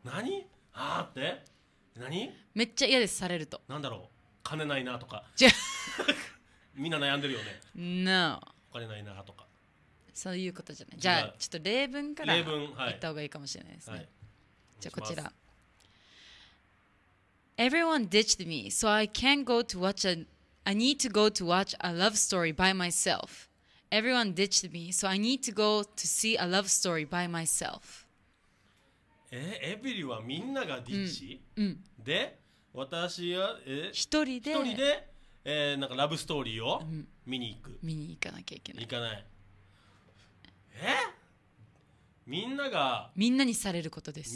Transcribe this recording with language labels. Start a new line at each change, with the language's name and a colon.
Japanese: 何？はーって？何？めっちゃ嫌です、されると。なんだろう、金ないなとか。違う。みんな悩んでるよね。
English: No。
Japanese: お金ないなとか。そういうことじゃない。じゃあちょっと例文から例文、はい、言った方がいいかもしれないですね。はい、じゃあこちら。
English: Everyone ditched me, so I can't go to watch a I need to go to watch a love story by myself. Everyone ditched me, so I need to go to see a love story by myself.
Japanese: Everyone, みんながディッチ、うん、で、私は、一人で、なんかラブストーリーを見に行く、うん。見に行かなきゃいけない。行かない。みんなが。みんなにされることです。